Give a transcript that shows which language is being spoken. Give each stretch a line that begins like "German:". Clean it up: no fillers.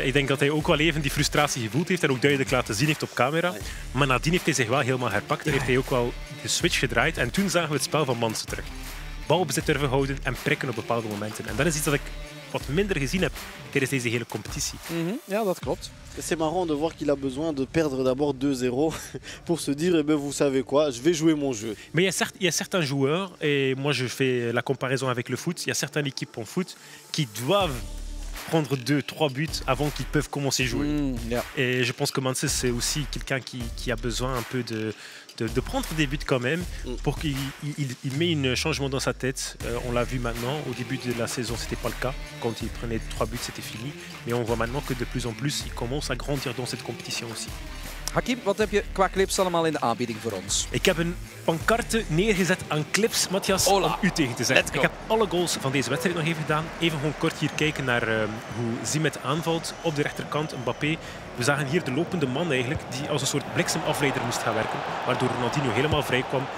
Dutch: Ik denk dat hij ook wel even die frustratie gevoeld heeft en ook duidelijk laten zien heeft op camera. Maar nadien heeft hij zich wel helemaal herpakt en heeft hij ook wel de switch gedraaid. En toen zagen we het spel van Mansen terug. Balbezit durven houden en prikken op bepaalde momenten. En dat is iets dat ik wat minder gezien heb tijdens deze hele competitie. Mm-hmm. Ja, dat klopt.
French: C'est marrant de voir qu'il a besoin de perdre d'abord 2-0 pour se dire, eh ben, vous savez quoi, je vais jouer mon jeu. Mais il y a certains joueurs, et moi je fais la comparaison avec le foot, il y a certaines équipes en foot qui doivent prendre 2-3 buts avant qu'ils peuvent commencer à jouer. Mm, yeah. Et je pense que Mansi, c'est aussi quelqu'un qui a besoin un peu de prendre des buts quand même, pour qu'il met un changement dans sa tête. On l'a vu maintenant, au début de la saison, ce n'était pas le cas. Quand il prenait 3 buts, c'était fini. Mais on voit maintenant que de plus en plus, il commence à grandir dans cette compétition aussi.
Dutch: Hakim, wat heb je qua clips allemaal in de aanbieding voor ons? Ik heb een pancarte neergezet aan clips, Matthias, om u tegen te zeggen. Ik heb alle goals van deze wedstrijd nog even gedaan. Even gewoon kort hier kijken naar hoe Zimet aanvalt op de rechterkant, Mbappé. We zagen hier de lopende man eigenlijk, die als een soort bliksemafleider moest gaan werken, waardoor Ronaldinho helemaal vrij kwam.